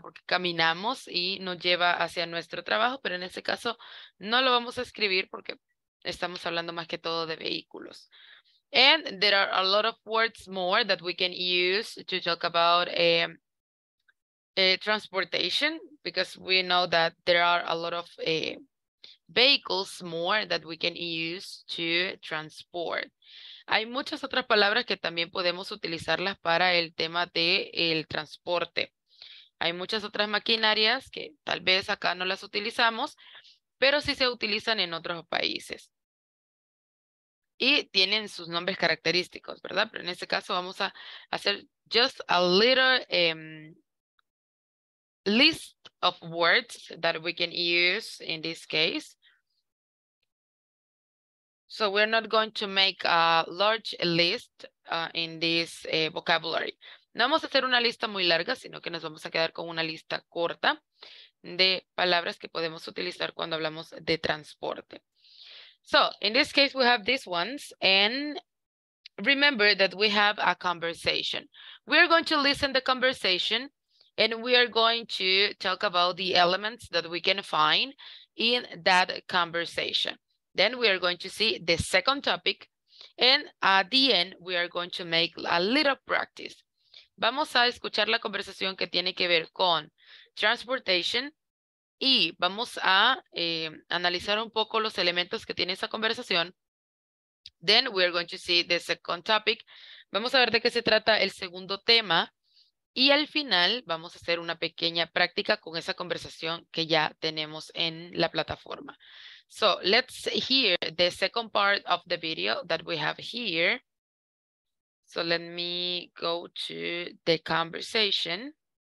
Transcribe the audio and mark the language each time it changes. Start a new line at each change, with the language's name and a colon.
Spanish: Porque caminamos y nos lleva hacia nuestro trabajo, pero en este caso no lo vamos a escribir porque estamos hablando más que todo de vehículos.
English: And there are a lot of words more that we can use to talk about transportation, because we know that there are a lot of vehicles more that we can use to transport.
Spanish: Hay muchas otras palabras que también podemos utilizarlas para el tema de el transporte. Hay muchas otras maquinarias que tal vez acá no las utilizamos, pero sí se utilizan en otros países. Y tienen sus nombres característicos, ¿verdad? Pero en este caso vamos a hacer
English: just a little list of words that we can use in this case. So we're not going to make a large list in this vocabulary.
Spanish: No vamos a hacer una lista muy larga, sino que nos vamos a quedar con una lista corta de palabras que podemos utilizar cuando hablamos de transporte.
English: So in this case, we have these ones. And remember that we have a conversation. We are going to listen to the conversation and we are going to talk about the elements that we can find in that conversation. Then we are going to see the second topic. And at the end, we are going to make a little practice.
Spanish: Vamos a escuchar la conversación que tiene que ver con transportation y vamos a analizar un poco los elementos que tiene esa conversación.
English: Then we are going to see the second topic.
Spanish: Vamos a ver de qué se trata el segundo tema. Y al final vamos a hacer una pequeña práctica con esa conversación que ya tenemos en la plataforma.
English: So let's hear the second part of the video that we have here. So let me go to the conversation.